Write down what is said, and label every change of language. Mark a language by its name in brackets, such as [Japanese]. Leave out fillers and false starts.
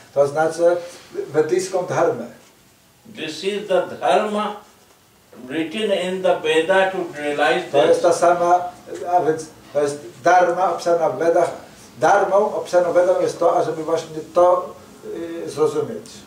[Polish] To oznacza vedyjską dharmę. [English] This is the dharma written in the Veda to realize this. [Polish] To jest ta sama, a więc to jest dharma opisana w Vedach. Dharmą opisaną Vedą jest to, ażeby właśnie to zrozumieć.